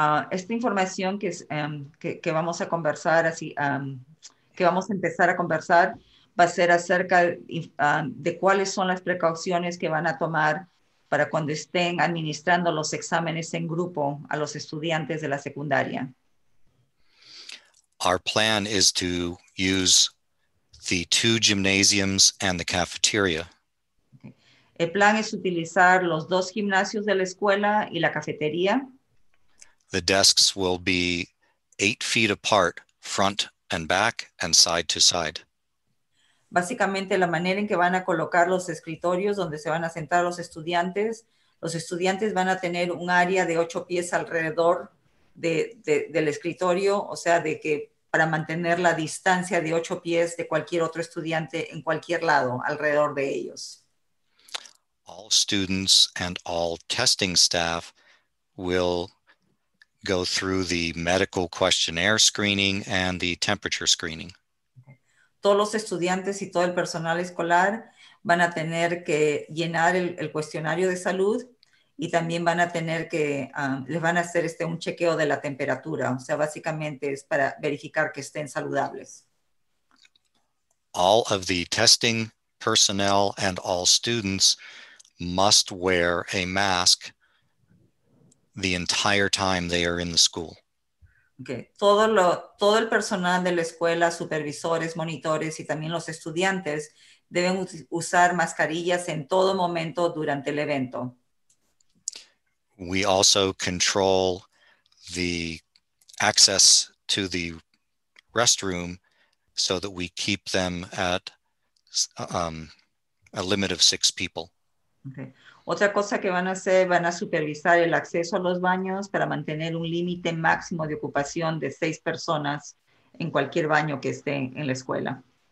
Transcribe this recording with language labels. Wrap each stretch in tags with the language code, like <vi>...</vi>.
<es>Esta información que, es, que vamos a conversar así, que vamos a empezar a conversar, va a ser acerca de cuáles son las precauciones que van a tomar para cuando estén administrando los exámenes en grupo a los estudiantes de la secundaria.</es> <en>Our plan is to use the two gymnasiums and the cafeteria.</en> <es>El plan es utilizar los dos gimnasios de la escuela y la cafetería.</es> <en>The desks will be 8 feet apart, front and back and side to side.</en> <es>Básicamente, la manera en que van a colocar los escritorios donde se van a sentar los estudiantes van a tener un área de 8 pies alrededor del escritorio, o sea, de que para mantener la distancia de 8 pies de cualquier otro estudiante en cualquier lado alrededor de ellos.</es> <en>All students and all testing staff will go through the medical questionnaire screening and the temperature screening.</en> <es>Todos los estudiantes y todo el personal escolar van a tener que llenar el cuestionario de salud y también van a tener que, les van a hacer un chequeo de la temperatura. O sea, básicamente es para verificar que estén saludables.</es> <en>All of the testing personnel and all students must wear a mask the entire time they are in the school. Okay.</en> <es>Todo el personal de la escuela, supervisores, monitores y también los estudiantes deben usar mascarillas en todo momento durante el evento.</es> <en>We also control the access to the restroom so that we keep them at a limit of 6 people. Okay.</en> <es>Otra cosa que van a hacer, van a supervisar el acceso a los baños para mantener un límite máximo de ocupación de 6 personas en cualquier baño que esté en la escuela.</es>